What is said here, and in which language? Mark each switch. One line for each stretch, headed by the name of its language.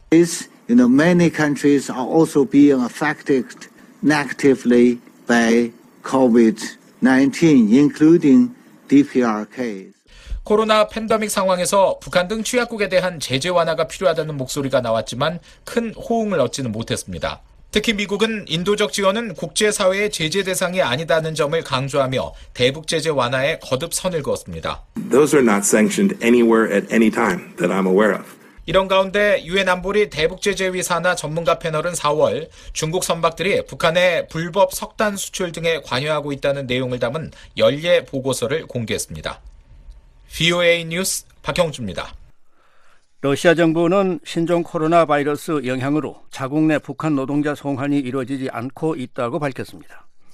English: Many countries are also being affected negatively by COVID-19, including DPRK.
Korean: 코로나 팬데믹 상황에서 북한 등 취약국에 대한 제재 완화가 필요하다는 목소리가 나왔지만 큰 호응을 얻지는 못했습니다. 특히 미국은 인도적 지원은 국제사회의 제재 대상이 아니다는 점을 강조하며 대북 제재 완화에 거듭 선을 그었습니다.
English: Those are not sanctioned anywhere at any time that I'm aware of.
Korean: 이런 가운데 유엔 안보리 대북 제재위 산하 전문가 패널은 4월 중국 선박들이 북한의 불법 석탄 수출 등에 관여하고 있다는 내용을 담은 연례 보고서를 공개했습니다. VOA 뉴스 박형주입니다. 러시아 정부는 신종 코로나 바이러스 영향으로 자국 내 북한 노동자 송환이 이루어지지 않고 있다고 밝혔습니다.